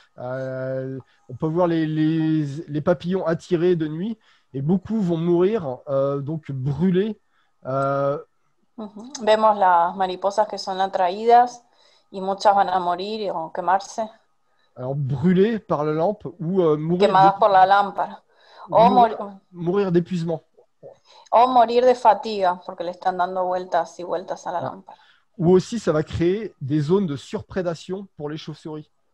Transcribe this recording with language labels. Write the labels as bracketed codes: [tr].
[fr] On peut voir les papillons attirés de nuit et beaucoup vont mourir, donc brûlés. [es] Vemos las mariposas que son atraídas y muchas van a morir o quemarse. [fr] Alors brûlés par la lampe ou mourir [es] Quemadas por la [fr] d'épuisement. [es] lámpara. [fr] Ou mourir d'épuisement. [es] O morir de fatiga, porque le están dando vueltas y vueltas a la lámpara. [fr] Ou aussi, ça va créer des zones de surprédation pour les chauves-souris.